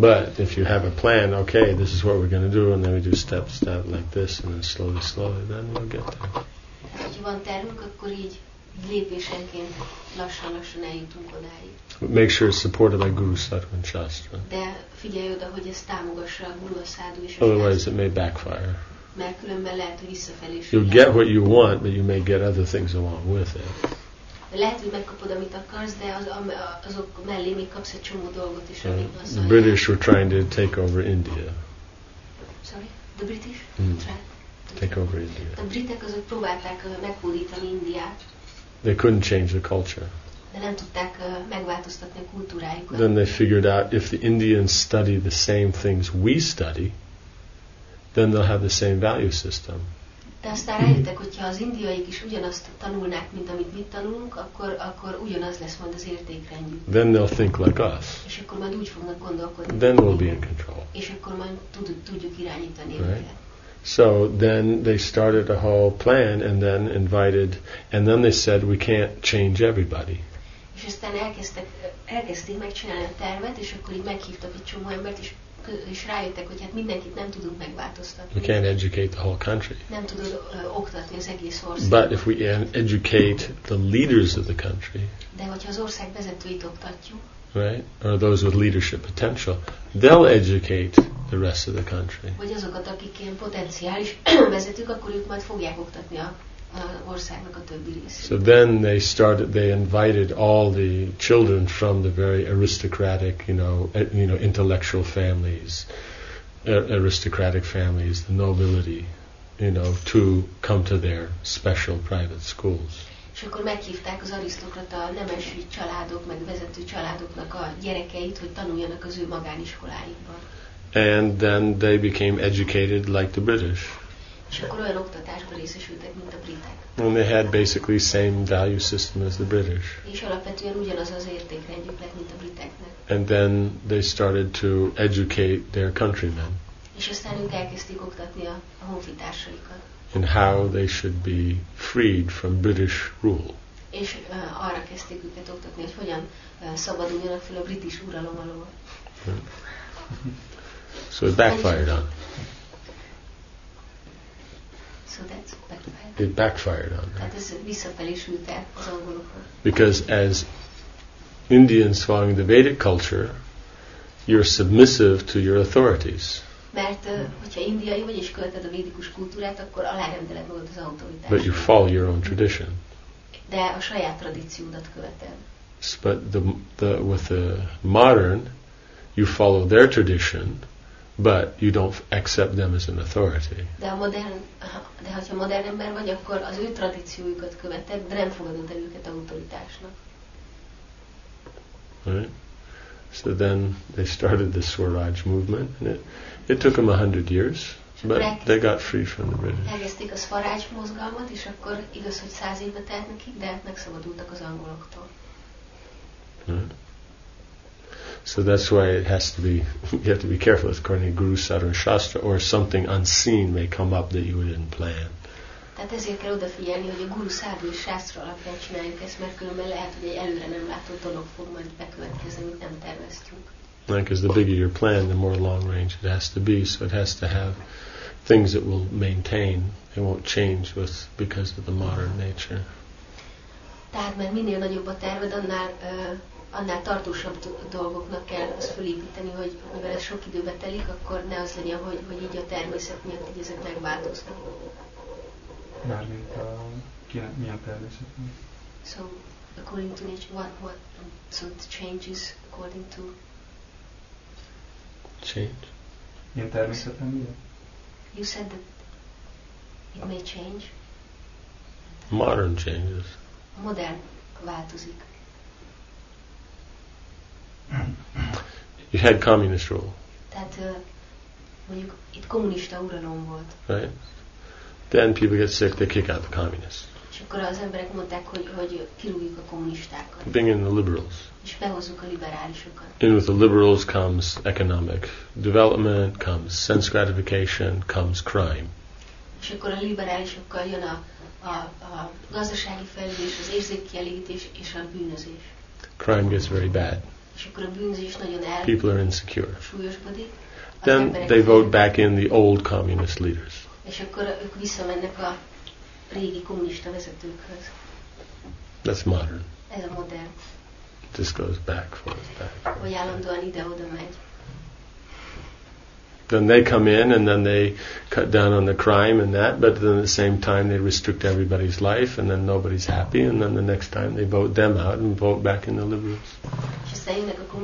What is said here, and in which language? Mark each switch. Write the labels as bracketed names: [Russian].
[English] But if you have a plan, okay, this is what we're going to do, and then we do step, step like this, and then slowly, slowly, then we'll get there. [Hungarian] Hogyha van tervünk, akkor így lépésenként lassan-lassan eljutunk odáig. [English] Make sure it's supported by Guru Sattva and Shastra. [Hungarian] De figyelj oda, hogy ezt támogassa a Guru, a Sadhu és a [English] Shastra. Otherwise it may backfire. [Hungarian] Mert különben lehet, hogy visszafelé. [English] You'll get what you want, but you may get other things along with it. [Hungarian] lehet, hogy megkapod, amit akarsz, de azok mellé még kapsz egy csomó dolgot is, amit használják. [English] The British were trying to take over India. Sorry? The British? Take over India. [Hungarian] A britek azok próbálták meghódítani Indiát. [English] They couldn't change the culture. [Hungarian] De nem tudták megváltoztatni a kultúrájukat. [English] Then they figured out if the Indians study the same things we study, then they'll have the same value system. [Hungarian] De aztán rájöttek, hogyha az indiaiak is ugyanazt tanulnák, mint amit mi tanulunk, akkor ugyanaz lesz majd az értékrendjük. [English] Then they'll think like us. [Hungarian] És akkor majd úgy fognak gondolkodni. [English] Then we'll be in control. [Hungarian] És akkor majd tudjuk irányítani őket. [English] Right? So then they started a whole plan and then invited, and then they said, we can't change everybody. [Hungarian] És aztán elkezdték megcsinálni a tervet, és akkor így meghívtak egy csomó embert, és rájöttek, hogy hát mindenkit nem tudunk megváltoztatni. [English] We can't educate the whole country. [Hungarian] Nem tudod oktatni az egész országot. [English] But if we educate the leaders of the country, [Hungarian] de hogyha az ország vezetőit oktatjuk, [English] right, or those with leadership potential, they'll educate the rest of the country. [Hungarian] Vagy azokat, akik ilyen potenciális vezetők, akkor ők majd fogják oktatni az országnak a többi részét. [English] So then they invited all the children from the very aristocratic, you know, intellectual families, aristocratic families, the nobility, you know, to come to their special private schools. [Hungarian] És akkor meghívták az arisztokrata, a nemesi családok, meg vezető családoknak a gyerekeit, hogy tanuljanak az ő magániskoláikban. [English] And then they became educated like the British. [Hungarian] És akkor olyan oktatásban részesültek, mint a britek. [English] And they had basically same value system as the British. [Hungarian] És alapvetően ugyanaz az értékrendjük lett, mint a briteknek. [English] And then they started to educate their countrymen. [Hungarian] És aztán ők elkezdték oktatni a honfitársaikat. [English] And how they should be freed from British rule. [Hungarian] És arra kezdték őket oktatni, hogy hogyan szabaduljanak fel a british uralom alól. [English] So it backfired on. So that's backfired. It backfired on. [Hungarian] Tehát ez visszafelé sült el az angolokon. [English] Because as Indians following the Vedic culture, you're submissive to your authorities. [Hungarian] Mert hogyha indiai vagy és követed a védikus kultúrát, akkor alárendeled magad az autoritásnak. [English] But you follow your own tradition. [Hungarian] De a saját tradíciódat követed. [English] But with the modern, you follow their tradition, but you don't accept them as an authority. [Hungarian] De hogyha modern ember vagy, akkor az ő tradíciójukat követed, de nem fogadod el őket autoritásnak. [English] Right. So then they started the Swaraj movement, and it took them 100 years, but they got free from the British. [Hungarian] Elkezdték a Swaraj mozgalmat, és akkor igaz, hogy 100 évbe telt nekik, de megszabadultak az angoloktól. [English] So that's why it has to be, you have to be careful with Karni Guru Sadhana Shastra, or something unseen may come up that you didn't plan. [Hungarian] Tehát ezért kell odafigyelni, hogy a Guru Sadhana Shastra alapján csináljuk ezt, mert különben lehet, hogy egy előre nem látott dolog fog majd bekövetkezni, amit nem terveztünk. [English] Because the bigger your plan, the more long range it has to be. So it has to have things that will maintain. It won't change with because of the modern nature. [Hungarian] Tehát, mert minél nagyobb a terved, annál tartósabb dolgoknak kell az fölépíteni, hogy mivel ez sok időbe telik, akkor ne az legyen, hogy így a természet miatt így ezek megváltoznak. Mármint milyen természet? [English] So, according to nature, what sort of changes according to change. [Hungarian] Ilyen természetben mi? [English] You said that it may change. Modern changes. [Hungarian] Modern változik. [English] You had communist rule. [Hungarian] Tehát mondjuk itt kommunista uralom volt. [English] Right. Then people get sick, they kick out the communists. [Hungarian] És akkor az emberek mondták, hogy kirúgjuk a kommunistákat. [English] Bring in the liberals. [Hungarian] És behozzuk a liberálisokat. [English] And with the liberals comes economic development, comes sense gratification, comes crime. [Hungarian] És akkor a liberálisokkal jön a gazdasági fejlődés, az érzékkielégítés és a bűnözés. [English] Crime gets very bad. [Hungarian] És akkor a bűnözés nagyon el. [English] People are insecure. [Hungarian] Súlyosbodik. [English] Then they vote back in the old communist leaders. [Hungarian] És akkor ők visszamennek a régi kommunista vezetőkhöz. [English] That's modern. [Hungarian] Ez a modern. [English] This goes back, forth, back. [Hungarian] Hogy állandóan ide-oda megy. [English] then they come in and then they cut down on the crime and that, but then at the same time they restrict everybody's life and then nobody's happy, and then the next time they vote them out and vote back in the liberals.